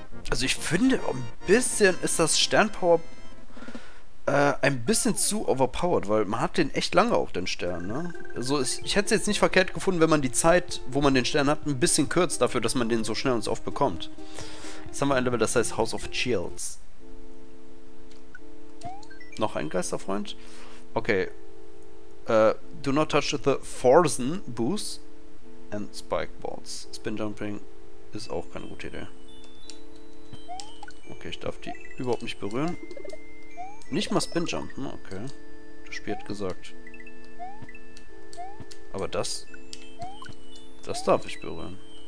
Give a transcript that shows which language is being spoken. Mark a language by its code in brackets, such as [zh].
[de] Also ich finde, ein bisschen ist das Sternpower ein bisschen zu overpowered, weil man hat den echt lange auf den Stern, ne? Also ich hätte es jetzt nicht verkehrt gefunden, wenn man die Zeit, wo man den Stern hat, ein bisschen kürzt dafür, dass man den so schnell und so oft bekommt. Jetzt haben wir ein Level, das heißt House of Chills. Noch ein Geisterfreund? Okay. [en] Do not touch the Forzen Boost and Spike Balls. [de] Spin Jumping ist auch keine gute Idee. Okay, ich darf die überhaupt nicht berühren. Nicht mal Spinjumpen, okay. Das Spiel hat gesagt. Aber das... Das darf ich berühren.